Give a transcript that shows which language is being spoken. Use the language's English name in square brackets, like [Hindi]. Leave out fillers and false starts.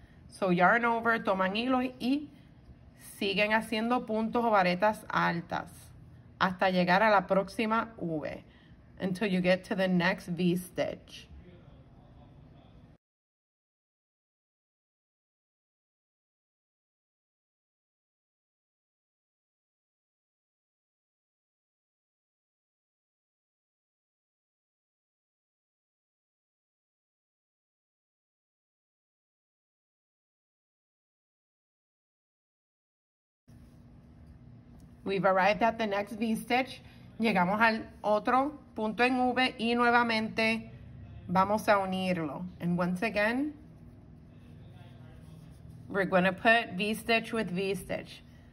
[English] So yarn over, [Spanish] toman hilo y siguen haciendo puntos o varetas altas hasta llegar a la próxima V. [English] Until you get to the next V stitch. We've arrived at the next V stitch. [Spanish] Llegamos al otro punto en V y nuevamente vamos a unirlo. [English] And once again, we're going to put V stitch with V stitch.